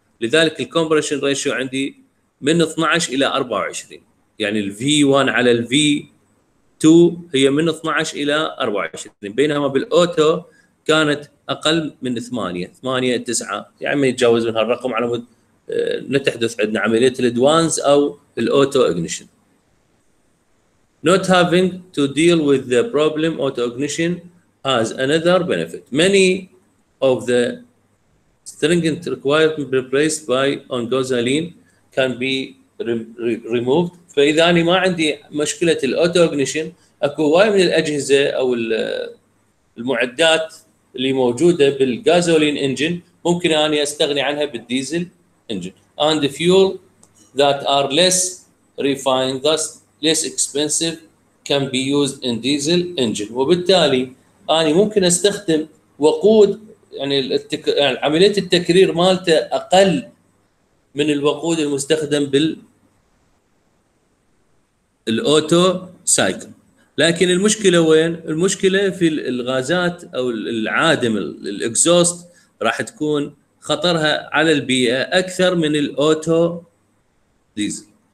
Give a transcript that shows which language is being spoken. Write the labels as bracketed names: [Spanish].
[Arabic] لذلك الكومبريشن ريشيو عندي من 12 الى 24، يعني ال V1 على ال V2 هي من 12 إلى 24، بينما بالأوتو كانت أقل من 8 9، يعني ما يتجاوز من هالرقم على مود نتحدث عندنا عملية الادوانز أو الأوتو إغنيشن. [English] Not having to deal with the problem auto ignition has another benefit. Many of the stringent requirements replaced by on gasoline can be removed. [Arabic] فإذا أنا ما عندي مشكلة الأوتو إغنيشن، أكو واي من الأجهزة أو المعدات اللي موجودة بالغازولين إنجن ممكن أنا أستغني عنها بالديزل إنجن. [English] And the fuel that are less refined thus less expensive can be used in diesel engine. [Arabic] وبالتالي أنا ممكن أستخدم وقود يعني عملية التكرير مالته أقل من الوقود المستخدم بال الاوتو سايكل. لكن المشكله وين؟ المشكله في الغازات او العادم الاكزوست راح تكون خطرها على البيئه اكثر من الاوتو ديزل.